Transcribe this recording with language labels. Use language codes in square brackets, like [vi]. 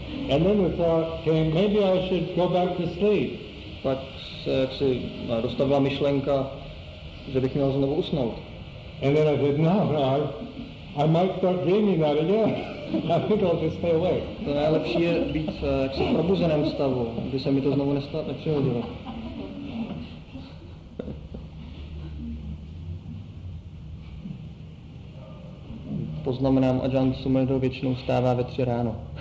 [en] And then the thought came, maybe I should go back to sleep. [cs] Pak se jaksi dostavila myšlenka, že bych měl znovu usnout. [en] And then I said, no, I might start dreaming that again. I think I'll just stay awake. [cs] To nejlepší je být jaksi v probuzeném stavu, aby se mi to znovu nepřihodilo. Poznamenám, Ajahn Sumedho většinou vstává ve 3 ráno.